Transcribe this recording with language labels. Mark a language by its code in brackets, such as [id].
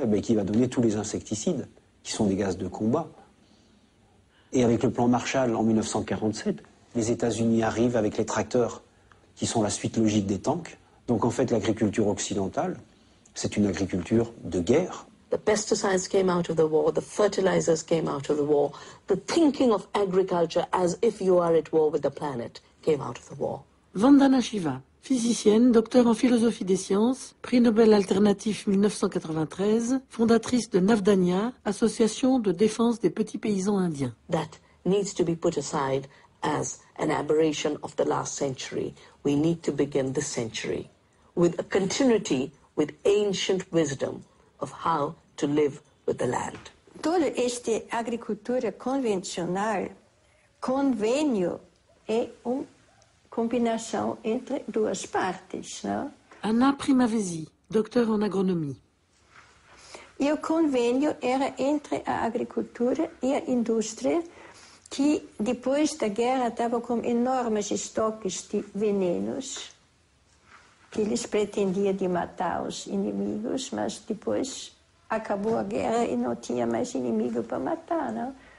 [fr] Eh bien, qui va donner tous les insecticides, qui sont des gaz de combat. Et avec le plan Marshall en 1947, les États-Unis arrivent avec les tracteurs, qui sont la suite logique des tanks. Donc en fait, l'agriculture occidentale, c'est une agriculture de guerre. [en] The pesticides came out of the war, the fertilizers came out of the war, the thinking of agriculture as if you are at war with the planet came out of the war. [fr] Vandana Shiva, physicienne, docteur en philosophie des sciences, prix Nobel alternatif 1993, fondatrice de Navdanya, association de défense des petits paysans indiens. [en] That needs to be put aside as an aberration of the last century. We need to begin this century with a continuity with ancient wisdom of how to live with the land. [pt] Toda esta agricultura convencional, convenio, é uma combinação entre duas partes. Não? Anna Primavesi, doutor em agronomia. E o convenio era entre a agricultura e a indústria, que depois da guerra estava com enormes estoques de venenos, que eles pretendiam de matar os inimigos, mas depois acabou a guerra e não tinha mais inimigo para matar, não?